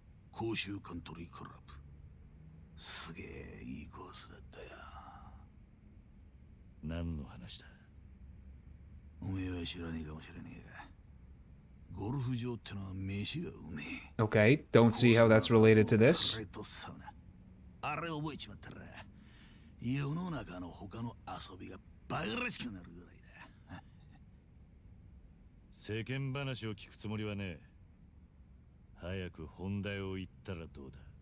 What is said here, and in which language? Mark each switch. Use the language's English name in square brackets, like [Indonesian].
[Japanese] 甲州カントリークラブ、すげえいいコースだったよ。何の話だ。おめえは知らねえかもしれねえが、ゴルフ場ってのは飯がうめえ。 [English] Okay, don't see how that's related to this. [Japanese] あれとさな、あれ覚えちまったら、世の中の他の遊びがバカらしくなるぐらいだ。世間話を聞くつもりはねえ。早く本題を言ったらどうだ。